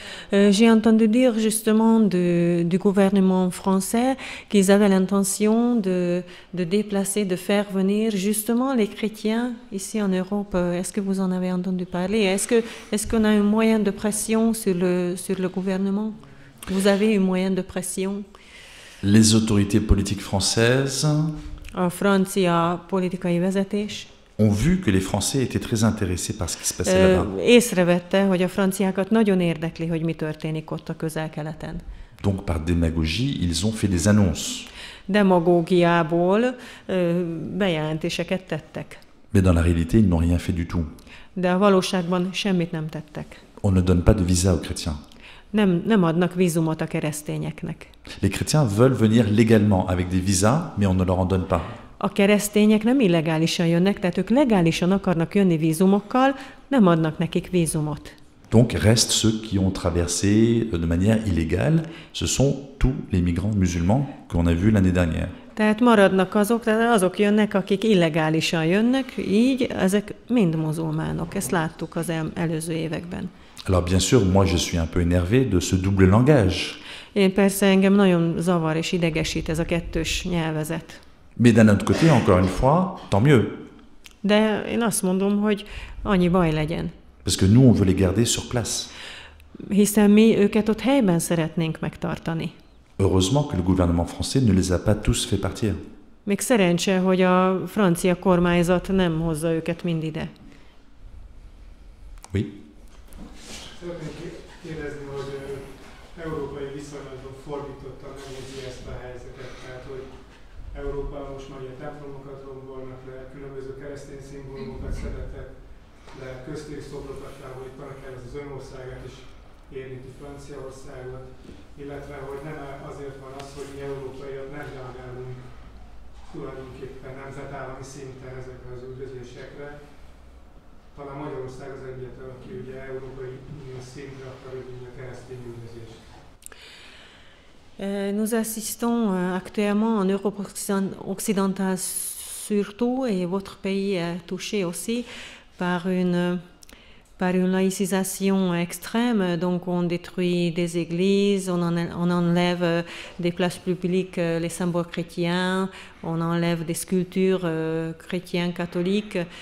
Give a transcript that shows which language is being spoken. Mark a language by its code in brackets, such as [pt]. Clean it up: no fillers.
[fr] J'ai entendu dire justement du gouvernement français qu'ils avaient l'intention de déplacer, de faire venir justement les chrétiens ici en Europe. Est-ce que vous en avez entendu parler? Est-ce qu'on a un moyen de pression sur le gouvernement? Vous avez un moyen de pression? Les autorités politiques françaises. [hu] A francia politikai vezetés. [fr] Ont vu que les Français étaient très intéressés par ce qui se passait là-bas. [hu] Észrevette, hogy a franciákat nagyon érdekli, hogy mi történik ott a Közel-Keleten. [fr] Donc par démagogie, ils ont fait des annonces. [hu] Demagógiából bejelentéseket tettek. [fr] Mais dans la réalité, ils n'ont rien fait du tout. [hu] De a valóságban semmit nem tettek. [fr] On ne donne pas de visa aux chrétiens. [hu] Nem adnak vízumot a keresztényeknek. [fr] Les chrétiens veulent venir légalement avec des visas, mais on ne leur en donne pas. [hu] A keresztények nem illegálisan jönnek, tehát ők legálisan akarnak jönni vízumokkal, nem adnak nekik vízumot. [fr] Donc restent ceux qui ont traversé de manière illégale, ce sont tous les migrants musulmans qu'on a vus l'année dernière. [hu] Tehát maradnak azok, tehát azok jönnek, akik illegálisan jönnek, így ezek mind muzulmánok, ezt láttuk az előző években. [fr] Alors bien sûr, moi je suis un peu énervé de ce double langage. [hu] Én persze engem nagyon zavar és idegesít ez a kettős nyelvezet. [fr] Mais d'un autre côté, encore une fois, tant mieux. [hu] De én azt mondom, hogy annyi baj legyen. [fr] Parce que nous, on veut les garder sur place. [hu] Hiszen mi őket ott helyben szeretnénk megtartani. [fr] Heureusement que le gouvernement français ne les a pas tous fait partir. [hu] Még szerencse, hogy a francia kormányzat nem hozza őket mind ide. [fr] Oui. [hu] Szeretnék kérdezni, hogy európai viszonylatban fordítottan nézi ezt a helyzetet, tehát hogy Európában most már ugye templomokat rombolnak le, különböző keresztény szimbólumokat szeretett le, köztük szobrokat távolítanak el, ez az önországát is érinti Franciaországot, illetve hogy nem azért van az, hogy mi európaiak nem reagálunk tulajdonképpen nemzetállami szinten ezekre az üldözésekre. Talán Magyarország az egyetlen, aki ugye európai szintre akar ügyni a keresztény üldözést. [fr] Nous assistons actuellement en Europe occidentale surtout, et votre pays est touché aussi par une laïcisation extrême. Donc on détruit des églises, on enlève des places publiques les symboles chrétiens, on enlève des sculptures chrétiennes catholiques.